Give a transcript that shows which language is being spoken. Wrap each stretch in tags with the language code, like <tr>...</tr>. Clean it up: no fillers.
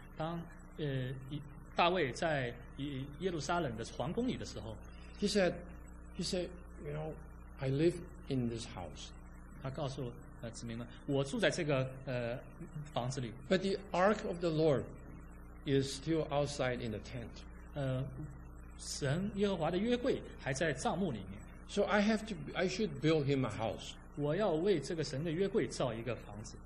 <zh>当大卫在耶路撒冷的皇宫里的时候</zh> <en>，He said, you know, I live in this house.</en> <zh>他告诉子民们，我住在这个房子里。</zh> <en>But the ark of the Lord is still outside in the tent.</en> <zh>神耶和华的约柜还在帐幕里面。</zh> <en>So I should build him a house.</en> <zh>我要为这个神的约柜造一个房子。</zh>